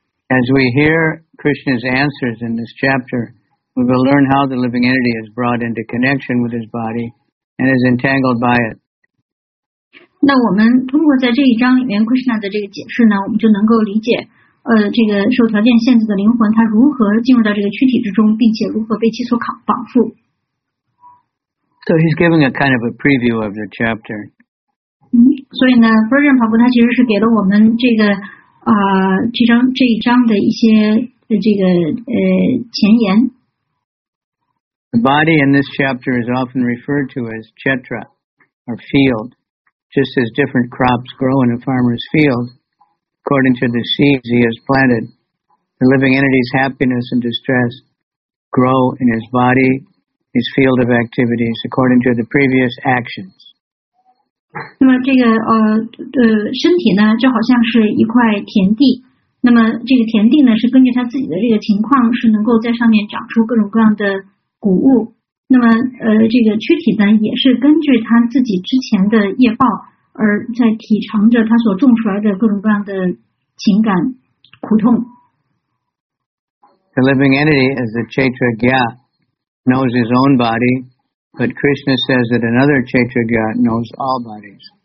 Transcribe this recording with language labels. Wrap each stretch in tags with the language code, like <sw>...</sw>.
<en>As we hear Krishna's answers in this chapter, we will learn how the living entity is brought into connection with his body and is entangled by it.</en> <zh>那我们通过在这一章里面 Krishna 的这个解释呢，我们就能够理解，这个受条件限制的灵魂它如何进入到这个躯体之中，并且如何被其所绑缚。</zh> <en>So he's giving a kind of a preview of the chapter.</en> <zh>所以呢 ，Virgin 跑步它其实是给了我们这个这一章的一些的这个前言。</zh> <en>The body in this chapter is often referred to as chetra, or field, just as different crops grow in a farmer's field, according to the seeds he has planted. The living entity's happiness and distress grow in his body. His field of activities according to the previous actions.</en> <zh>那么这个身体呢就好像是一块田地，那么这个田地呢是根据他自己的这个情况是能够在上面长出各种各样的谷物，那么这个躯体呢也是根据他自己之前的业报而在体尝着他所种出来的各种各样的情感苦痛。</zh> <en>The living entity is the Chaitragya. Knows his own body, but Krishna says that another Chaitragya knows all bodies.</en>